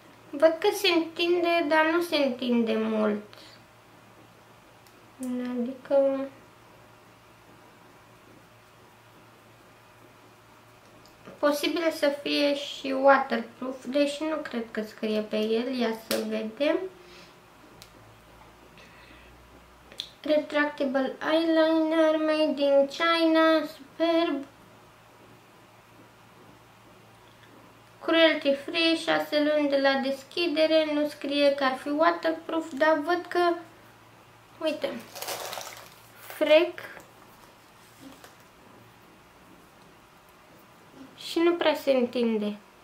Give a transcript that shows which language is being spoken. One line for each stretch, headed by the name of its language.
Romanian: Văd că se întinde, dar nu se întinde mult. Adică... posibil să fie și waterproof, deși nu cred că scrie pe el, ia să vedem.
English: Retractable eyeliner made in China, superb.
Romanian: cruelty free, 6 luni de la deschidere, nu scrie că ar fi waterproof, dar văd că, uite, frec și nu prea se întinde.